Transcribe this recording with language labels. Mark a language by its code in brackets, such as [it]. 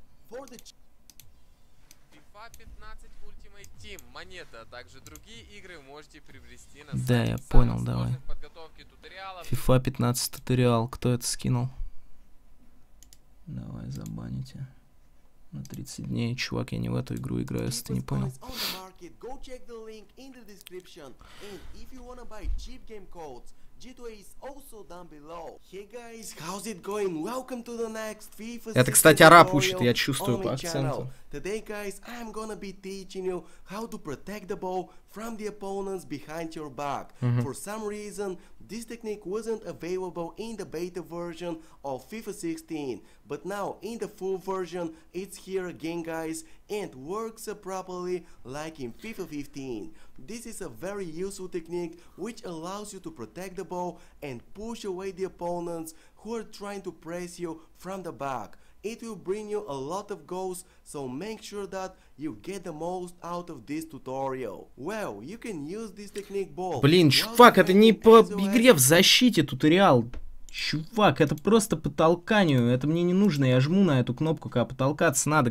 [ru] FIFA 15 Ultimate Team, монета, а также другие игры можете приобрести на сайте. Да, я понял, давай. FIFA 15 туториал, кто это скинул? Давай, забаните. На 30 дней, чувак, я не в эту игру играю, если ты не понял. [en] Go check the link in the description. And if you wanna buy cheap game codes, G2A is also down below. Hey guys, how's it going? Welcome to the next FIFA. [ru] Это, кстати, араб учит, я чувствую по акценту. [en] Today, guys, I'm gonna be teaching you how to protect the ball from the opponents behind your back. For some reason, this technique wasn't available in the beta version of FIFA 16, but now in the full version, it's here again, guys, and works properly like in FIFA 15. This is a very useful technique which allows you to protect the ball and push away the opponents who are trying to press you from the back. It will bring you a lot of goals, so make sure that you get the most out of this tutorial. Well, you can use this technique both. [ru] Блин, чувак, это не по игре в защите туториал. Чувак, это просто по толканию. Это мне не нужно, я жму на эту кнопку, когда потолкаться надо.